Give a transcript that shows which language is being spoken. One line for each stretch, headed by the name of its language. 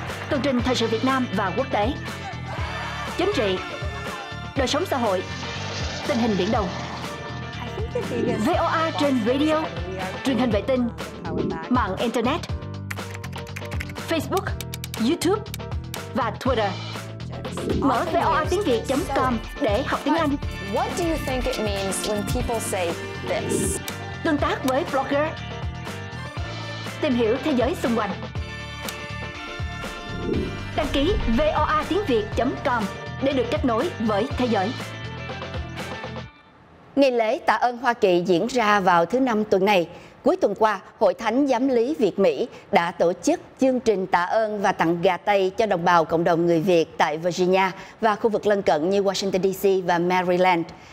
Vietnamese: Tường trình thời sự Việt Nam và quốc tế. Chính trị, đời sống xã hội, tình hình biển Đông. VOA trên radio, truyền hình vệ tinh, mạng internet, Facebook, YouTube và Twitter. Mở voatiengviet.com để học tiếng Anh.
English: What do you think it means when people say this?
Vietnamese: Tương tác với blogger, tìm hiểu thế giới xung quanh. Đăng ký voatiengviet.com để được kết nối với thế giới. Ngày lễ tạ ơn Hoa Kỳ diễn ra vào thứ Năm tuần này. Cuối tuần qua, Hội Thánh Giám lý Việt Mỹ đã tổ chức chương trình tạ ơn và tặng gà Tây cho đồng bào cộng đồng người Việt tại Virginia và khu vực lân cận như Washington DC và Maryland.